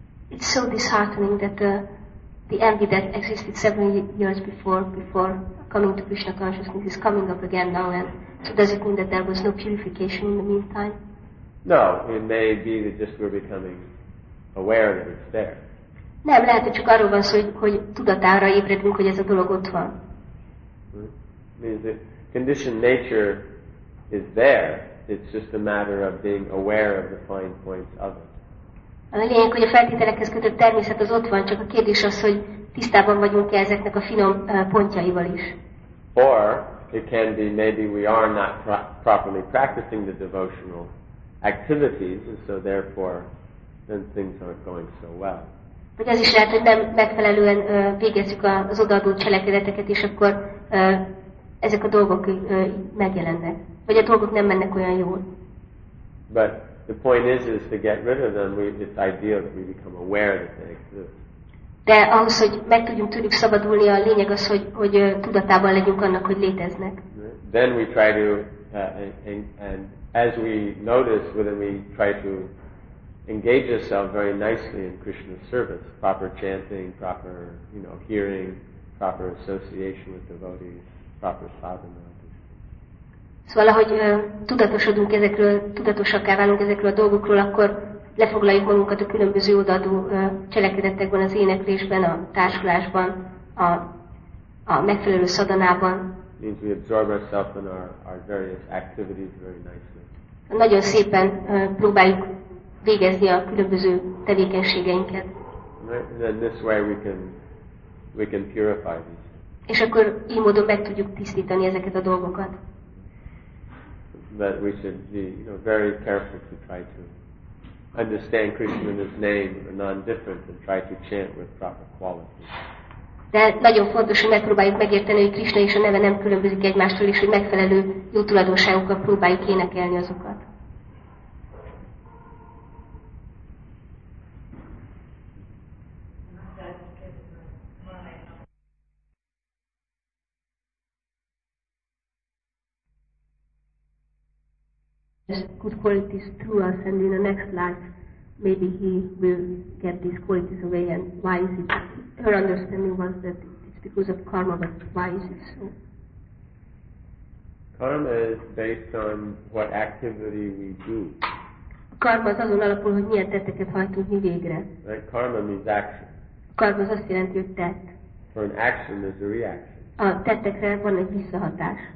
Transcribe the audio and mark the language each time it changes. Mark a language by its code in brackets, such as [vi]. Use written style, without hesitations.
[en] It's so disheartening that the envy that existed 7 years before coming to Krishna consciousness is coming up again now. And so does it mean that there was no purification in the meantime? No, it may be that just we're becoming aware that it's there. [hu] Nem, lehet, hogy csak arról van szó, hogy tudatára ébredünk, hogy ez a dolog ott van. [en] Means the conditioned nature is there. It's just a matter of being aware of the fine points of it. [hu] A lényeg, hogy a feltételekhez kötött természet az ott van, csak a kérdés az, hogy tisztában vagyunk-e ezeknek a finom pontjaival is. [en] Or it can be maybe we are not properly practicing the devotional activities, and so therefore then things aren't going so well. [hu] Vagy az is lehet, hogy nem megfelelően végezzük az odaadó cselekedeteket, és akkor ezek a dolgok megjelennek. Vagy a dolgok nem mennek olyan jól. [en] But the point is to get rid of them, it's ideal that we become aware that they exist. [hu] De ahhoz, hogy meg tudjunk tőlük szabadulni, a lényeg az, hogy, hogy tudatában legyünk annak, hogy léteznek. [en] Then we try to and as we notice whether we try to engage ourselves very nicely in Krishna's service, proper chanting, proper, you know, hearing, proper association with devotees, proper sadhana. [hu] Szóval, ahogy tudatosodunk ezekről, tudatosakká válunk ezekről a dolgokról, akkor lefoglaljuk magunkat a különböző odaadó cselekedetekben, az éneklésben, a társulásban, a megfelelő szadanában. [en] Means we absorb ourselves in our various activities very nicely. [hu] Nagyon szépen próbáljuk végezni a különböző tevékenységeinket. [en] Then this way we can purify these. [hu] És akkor így módon meg tudjuk tisztítani ezeket a dolgokat. [en] That we should be, you know, very careful to try to understand Krishna in his name or non-different and try to chant with proper quality. [hu] De nagyon fontos, hogy megpróbáljuk megérteni, hogy Krishna és a neve nem különbözik egymástól, és hogy megfelelő jó tulajdonságokkal próbáljuk énekelni azokat. [en] Good qualities through us, and in the next life, maybe he will get these qualities away. And why is it? Her understanding was that it's because of karma, but why is it so? Karma is based on what activity we do. [hu] Karma az azon alapul, hogy milyen tetteket hajtunk mi végre. [en] Right? Karma means action. [hu] Karma az azt jelenti, hogy tett. [en] For an action, there's a reaction. [hu] A tettekre van egy visszahatás.